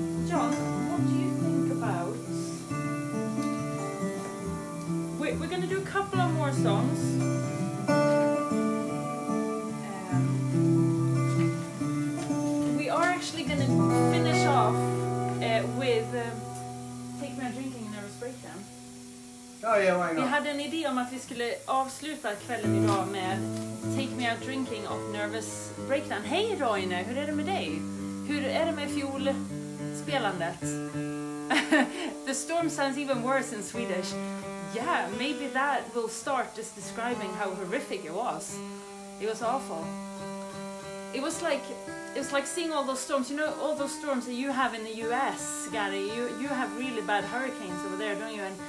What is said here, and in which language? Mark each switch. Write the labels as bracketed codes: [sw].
[en] John, what do you think about... We're going to do a couple of more songs. We are actually going to finish off with... Take me a drinking and nervous breakdown. Oh yeah, why not? [sv] Vi hade en idé om att vi skulle avsluta kvällen idag med Take Me Out Drinking och Nervous Breakdown. Hej Roine, hur är det med dig? Hur är det med fiolspelandet? [en] The storm sounds even worse in Swedish. Yeah, maybe that will start just describing how horrific it was. It was awful. It was like seeing all those storms. You know, all those storms that you have in the US, Gary, you have really bad hurricanes over there, don't you?